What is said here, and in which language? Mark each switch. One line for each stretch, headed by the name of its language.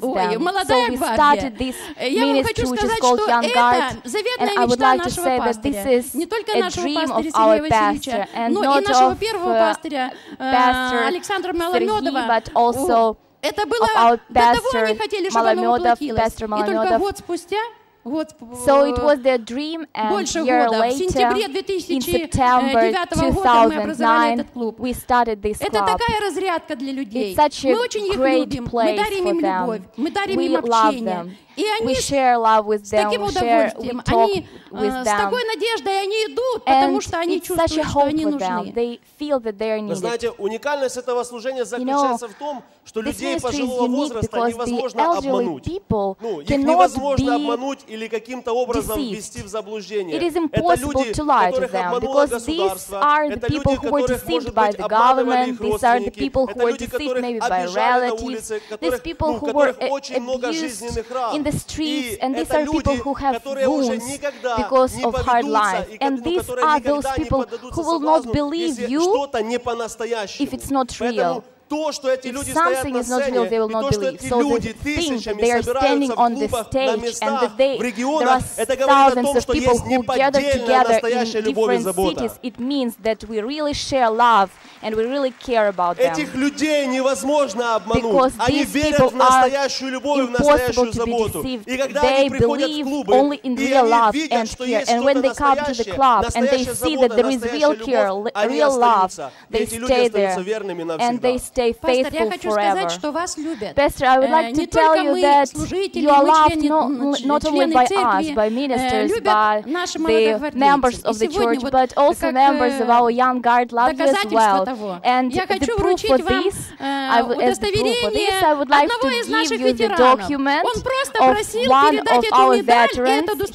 Russian: Ой, молодая гвардия. Я вам хочу сказать, что это заветная мечта нашего пастыря. Не только нашего пастыря Сергея Васильевича, но и нашего первого пастыря Александра Маломедова. Это было до того, они хотели, чтобы оно воплотилось. И только год спустя.
English: So it was their dream, and a year later, in September 2009, we started this club. It's such a great place for them. We love them. We share love with them. We share, we talk with them.
Russian: С такой надеждой они идут, потому что они чувствуют, что они нужны.
English: They feel that they are needed.
Russian: Вы знаете, уникальность этого служения заключается в том, что людей пожилого возраста невозможно обмануть. Ну, их невозможно обмануть или каким-то образом ввести в заблуждение.
English: It is impossible to lie to them, because these are the people who are deceived by the government. These are the people who are deceived maybe by relatives. These people who were abused in the streets, and these are people who have wounds because of hard life. And these are those people who will not believe you if it's not real.
Russian: То, что эти люди стоят на сцене,
English: real,
Russian: и то, что эти
English: so
Russian: люди тысячами собираются в клубах, на местах, в регионах, это говорит о том, что есть неподдельная настоящая любовь и забота.
English: It means that we really share love and we really care about them.
Russian: Этих людей невозможно обмануть. Они верят в настоящую любовь и в настоящую заботу. И когда они приходят в клубы, и они видят, что есть что-то настоящее, настоящая забота, настоящая любовь, они остаются. Эти люди остаются верными навсегда.
English: Stay faithful forever. Pastor, I would like to tell you that you are loved not only by us, by ministers, by the members of the church, but also members of our young guard love you as well. And the proof for this, I would like to give you the document of one of our veterans.